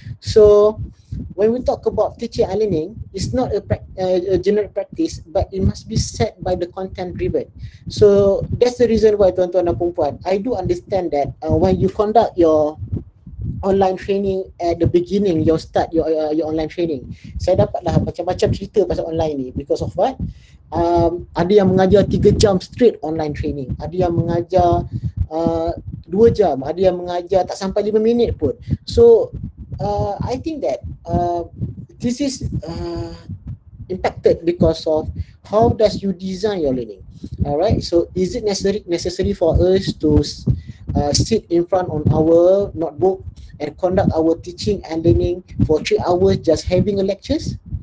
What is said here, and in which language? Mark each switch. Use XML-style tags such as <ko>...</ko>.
<en>So when we talk about teaching and learning, it's not a general practice, but it must be set by the content driven. So that's the reason why,</en> <ms>tuan-tuan dan puan-puan,</ms> <en>I do understand that when you conduct your online training at the beginning, your start, your online training,</en> <ms>saya dapatlah macam-macam cerita pasal online ni.</ms> <en>Because of what?</en> <ms>Ada yang mengajar 3 jam</ms> <en>straight online training,</en> <ms>ada yang mengajar 2 jam, ada yang mengajar tak sampai 5 minit pun.</ms> <en>So I think that this is impacted because of how does you design your learning. Alright, so is it necessary for us to sit in front on our notebook and conduct our teaching and learning for 3 hours just having a lectures?</en>